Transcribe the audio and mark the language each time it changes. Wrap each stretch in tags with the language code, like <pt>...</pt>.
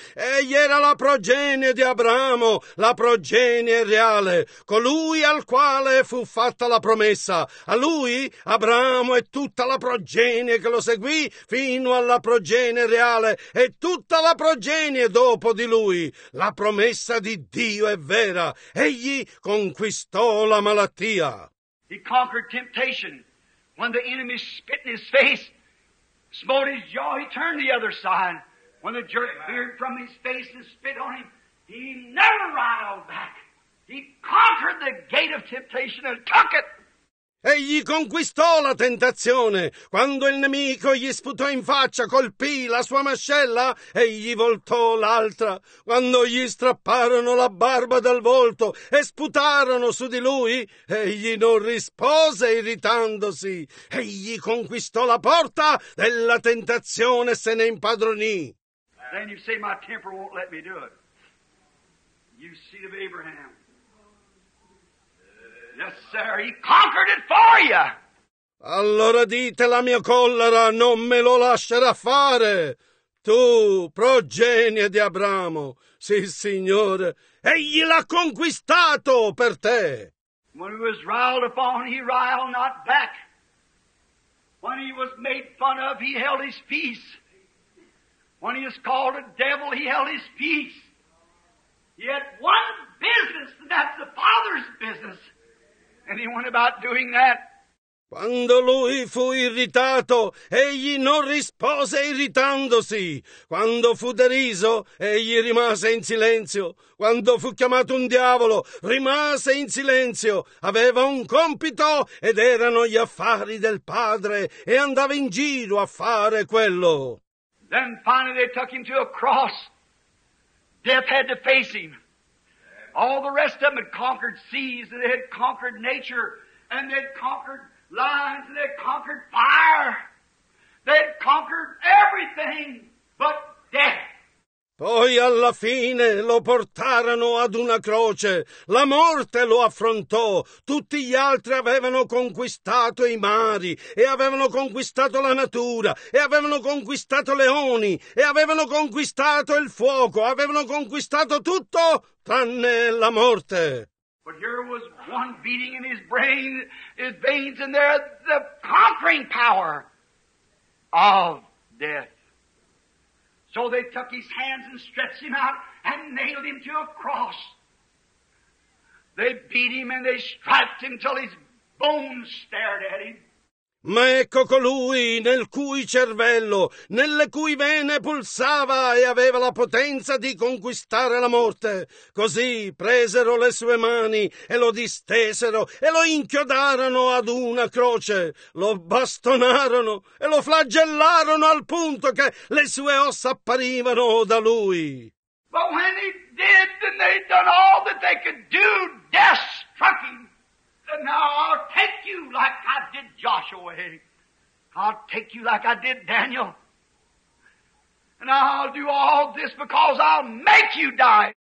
<it>Egli era la progenie di Abramo, la progenie reale, colui al quale fu fatta la promessa. A lui, Abramo e tutta la progenie che lo seguì fino alla progenie reale e tutta la progenie dopo di lui. La promessa di Dio è vera. Egli conquistò la malattia.</it> <en>He conquered temptation when the enemy spit in his face. Smote his jaw, he turned the other side. When the jerk veered from his face and spit on him, he never riled back. He conquered the gate of temptation and took it.</en> <it>Egli conquistò la tentazione. Quando il nemico gli sputò in faccia, colpì la sua mascella, egli voltò l'altra. Quando gli strapparono la barba dal volto e sputarono su di lui, egli non rispose irritandosi. Egli conquistò la porta della tentazione e se ne impadronì.</it> <en>Then you say, my temper won't let me do it. You seed of Abraham. Yes, sir, he conquered it for you.</en> <it>Allora dite, la mia collera non me lo lascerà fare. Tu, progenie di Abramo, sì, signore, egli l'ha conquistato per te.</it> <en>When he was riled upon, he riled not back. When he was made fun of, he held his peace. When he was called a devil, he held his peace. He had one business, and that's the Father's business. And he went about doing that.</en> <it>Quando lui fu irritato, egli non rispose irritandosi. Quando fu deriso, egli rimase in silenzio. Quando fu chiamato un diavolo, rimase in silenzio. Aveva un compito ed erano gli affari del padre e andava in giro a fare quello.</it> <en>Then finally they took him to a cross. Death had to face him. All the rest of them had conquered seas, and they had conquered nature, and they had conquered lions, and they had conquered fire. They had conquered everything but death.</en> <it>Poi alla fine lo portarono ad una croce. La morte lo affrontò. Tutti gli altri avevano conquistato i mari e avevano conquistato la natura e avevano conquistato leoni e avevano conquistato il fuoco. Avevano conquistato tutto tranne la morte.</it> <en>But here was one beating in his veins, and there the conquering power of death. So they took his hands and stretched him out and nailed him to a cross. They beat him and they striped him till his bones stared at him.</en> <it>Ma ecco colui nel cui cervello, nelle cui vene pulsava e aveva la potenza di conquistare la morte. Così presero le sue mani e lo distesero e lo inchiodarono ad una croce, lo bastonarono e lo flagellarono al punto che le sue ossa apparivano da lui. Ma quando</it> <en>he did, then they done all that they could do, death struck him. Now I'll take you like I did Joshua. I'll take you like I did Daniel. And I'll do all this because I'll make you die.</en>